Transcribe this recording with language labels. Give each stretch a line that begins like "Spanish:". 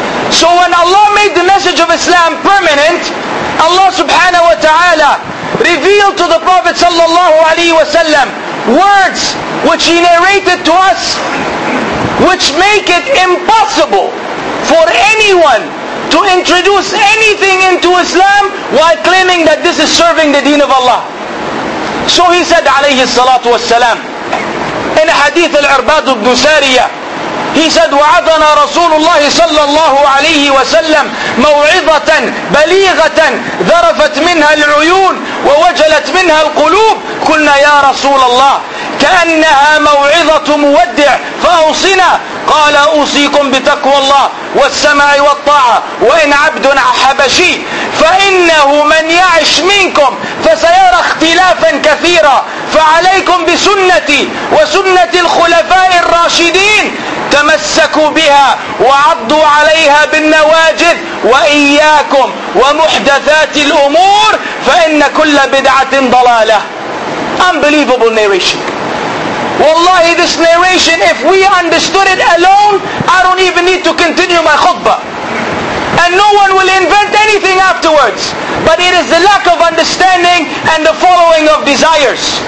English: So when Allah made the message of Islam permanent, Allah subhanahu wa ta'ala revealed to the Prophet sallallahu alayhi wa sallam words which he narrated to us, which make it impossible for anyone to introduce anything into Islam while claiming that this is serving the deen of Allah. So he said alayhi salatu wasalam in a hadith al-Irbad ibn Sariya, he said,
Arabic: وَعَذَنَا رَسُولُ اللَّهِ صَلَّى اللَّهُ عَلَيْهِ وَسَلَّمْ مَوْعِظَةً بَلِيغَةً ذَرَفَتْ مِنْهَا الْعُيُونَ وَوَجَلَتْ مِنْهَا الْقُلُوبِ كُنَّا يَا رَسُولَ اللَّهِ كَأَنَّهَا مَوْعِظَةُ مُوَدِّعٍ فَأَوْصِنَا قَالَ أُوصِيكُمْ بِتَقْوَى اللَّهِ وَالسَّمَعِ وَالطَّاعَةِ وَإِنْ عَبْدٌ أَحَبَشِي فَإِنَّهُ مَنْ يَعِشْ مِنْكُمْ فَسَيَرَى اخْتِلَافًا كَثِيرًا فَعَلَيْكُمْ بِسُنَّتِي وَسُنَّةِ الْخُلَفَاءِ الرَّاشِدِينَ تَمَسَّكُوا بِهَا وَعَضُّوا عَلَيْهَا بِالنَّوَاجِذِ وَإِيَّاكُمْ وَمُحْدَثَاتِ الْأُمُورِ فَإِنَّ كُلَّ بِدْعَةٍ ضَلَالَةٌ.
English: Unbelievable narration. Wallahi, this narration, if we understood it alone, I don't even need to continue my khutbah. And no one will invent anything afterwards. But it is the lack of understanding and the following of desires.